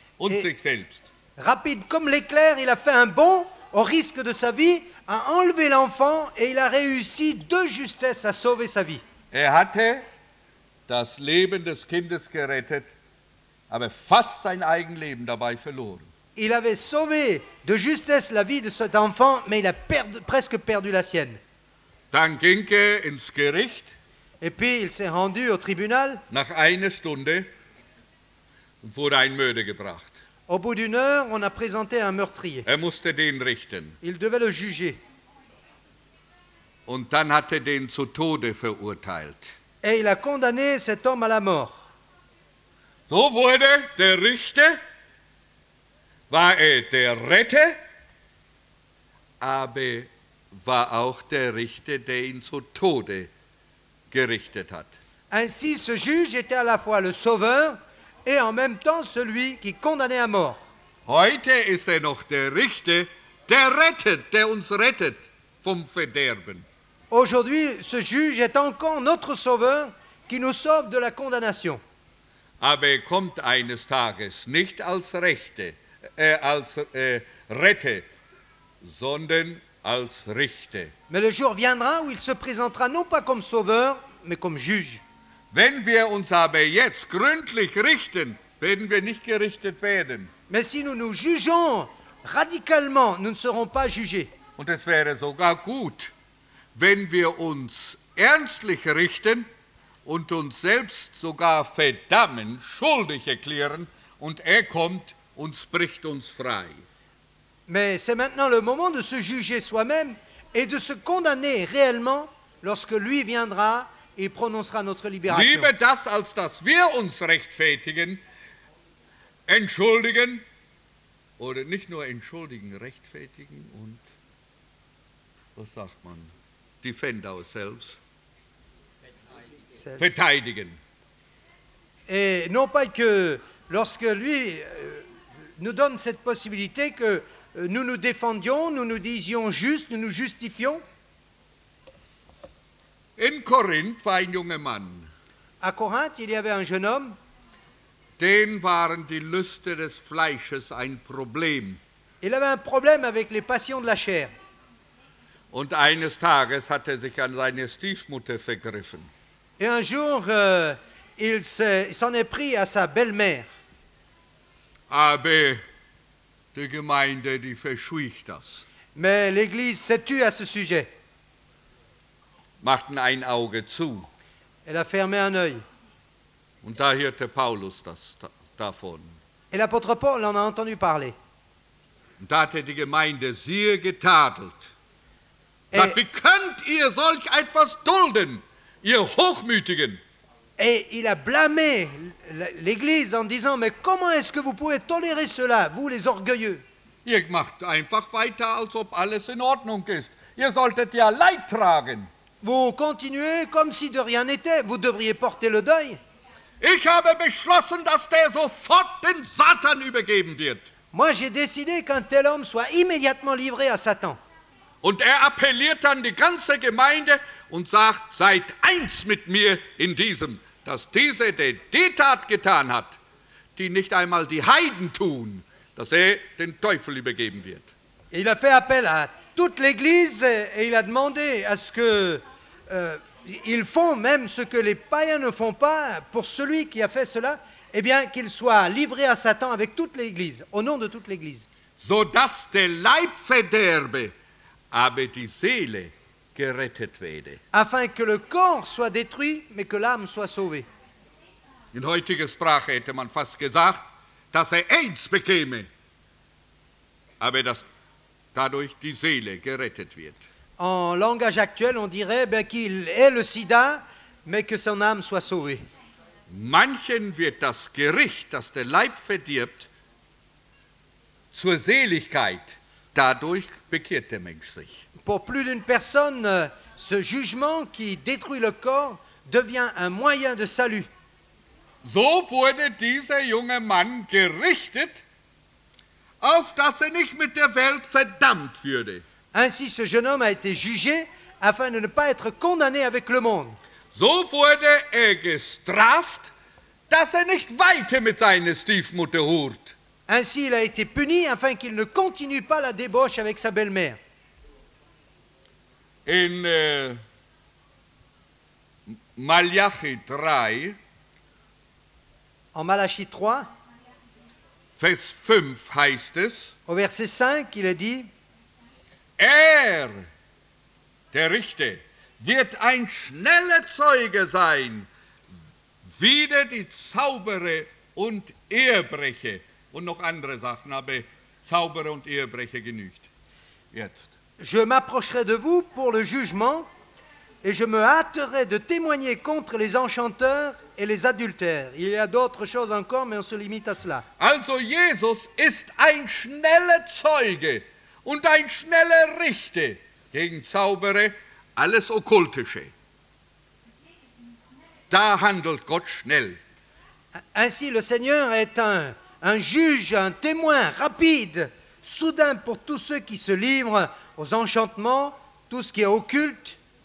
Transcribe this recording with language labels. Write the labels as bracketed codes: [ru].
[de] Und sich selbst. [fr] Rapide comme l'éclair, il a fait un bond au risque de sa vie, a enlevé l'enfant et il a réussi de justesse à sauver sa vie. [de] Hatte das Leben des Kindes gerettet, aber fast sein eigen Leben dabei verloren. [fr] Il avait sauvé de justesse la vie de cet enfant, mais il a presque perdu la sienne. [de] Dann ging ins Gericht. [fr] Et puis il s'est rendu au tribunal. [de] Nach einer Stunde wurde ein Mörder gebracht. [fr] Au bout d'une heure, on a présenté un meurtrier. [de] Musste den richten. [fr] Il devait le juger. [de] Und dann hatte den zu Tode verurteilt. [fr] Et il a condamné cet homme à la mort. [de] So wurde der Richter, war der Retter, aber war auch der Richter, der ihn zu Tode gerichtet hat. [fr] Ainsi, ce juge était à la fois le sauveur et en même temps celui qui condamnait à mort. [de] Heute ist noch der Richter, der rettet, der uns rettet vom Verderben. [fr] Aujourd'hui, ce juge est encore notre sauveur qui nous sauve de la condamnation. [de] Aber kommt eines Tages nicht als Rechte, Rette, sondern als Richter. [fr] Mais le jour viendra où il se présentera non pas comme sauveur, mais comme juge. [de] Wenn wir uns aber jetzt gründlich richten, werden wir nicht gerichtet werden. [fr] Mais si nous nous jugeons radicalement, nous ne serons pas jugés. [de] Und es wäre sogar gut, wenn wir uns ernstlich richten und uns selbst sogar verdammen, schuldig erklären, und kommt und spricht uns frei. [fr] Mais c'est maintenant le moment de se juger soi-même et de se condamner réellement lorsque lui viendra et prononcera notre libération. [de] Lieber das, als dass wir uns rechtfertigen, entschuldigen, oder nicht nur entschuldigen, rechtfertigen und, was sagt man, [en] defend ourselves, [de] verteidigen. [fr] Et non pas que lorsque lui nous donne cette possibilité que nous nous défendions, nous nous disions juste, nous nous justifions. [de] In Korinth war ein junger Mann. [fr] À Corinthe, il y avait un jeune homme. [de] Den waren die Lüste des Fleisches ein Problem. [fr] Il avait un problème avec les passions de la chair. [de] Und eines Tages hat sich an seine Stiefmutter vergriffen. [fr] Et un jour, il s'en est pris à sa belle-mère. [de] Aber die Gemeinde, die verschwieg das. [fr] Mais l'église s'est tue à ce sujet. [de] Machten ein Auge zu. [fr] Elle a fermé un œil. [de] Und da hörte Paulus das davon. [fr] Et l'apôtre Paul en a entendu parler. [de] Und da hatte die Gemeinde sehr getadelt. Sagt, wie könnt ihr solch etwas dulden, ihr Hochmütigen? [fr] Et il a blâmé l'Église en disant, mais comment est-ce que vous pouvez tolérer cela, vous les orgueilleux? [de] Ihr macht einfach weiter, als ob alles in Ordnung ist. Ihr solltet ja Leid tragen. [fr] Vous continuez comme si de rien n'était. Vous devriez porter le deuil. [de] Ich habe beschlossen, dass der sofort den Satan übergeben wird. [fr] Moi, j'ai décidé qu'un tel homme soit immédiatement livré à Satan. [de] Und appelliert dann die ganze Gemeinde und sagt, seid eins mit mir in diesem, dass dieser, der die Tat getan hat, die nicht einmal die Heiden tun, dass den Teufel übergeben wird. [fr] Il a fait appel à toute l'église et il a demandé à ce que Ils font même ce que les païens ne font pas pour celui qui a fait cela, eh bien qu'il soit livré à Satan avec toute l'Église, au nom de toute l'Église. [de] So dass der Leib verderbe, aber die Seele gerettet werde. [fr] Afin que le corps soit détruit, mais que l'âme soit sauvée. [de] In heutiger Sprache hätte man fast gesagt, dass AIDS bekäme, aber dass dadurch die Seele gerettet wird. [fr] En langage actuel, on dirait ben, qu'il ait le sida, mais que son âme soit sauvée. [de] Manchen wird das Gericht, das der Leib verdirbt, zur Seligkeit. Dadurch bekehrt der Mensch sich. [fr] Pour plus d'une personne, ce jugement qui détruit le corps devient un moyen de salut. [de] So wurde dieser junge Mann gerichtet, auf dass nicht mit der Welt verdammt würde. [fr] Ainsi, ce jeune homme a été jugé afin de ne pas être condamné avec le monde. [de] So wurde gestraft, dass nicht weiter mit seiner Stiefmutter hurt. [fr] Ainsi, il a été puni afin qu'il ne continue pas la débauche avec sa belle-mère. [de] In Malachi 3, [fr] en Malachi 3, [de] Vers 5 heißt es, [fr] au verset 5, il est dit, [de] Er, der Richter, wird ein schneller Zeuge sein, wider die Zauberer und Ehebrecher. Und noch andere Sachen, aber Zauberer und Ehebrecher genügt. Jetzt. [fr] Je m'approcherai de vous pour le jugement et je me hâterai de témoigner contre les enchanteurs et les adultères. Il y a d'autres choses encore, mais on se limite à cela. [de] Also Jesus ist ein schneller Zeuge. Und ein schneller Richter gegen Zauberer, alles Okkultische. Da handelt Gott schnell. [fr] Ainsi, le Seigneur est un juge, un témoin rapide, soudain pour tous ceux qui se livrent aux enchantements, tout ce qui est occulte.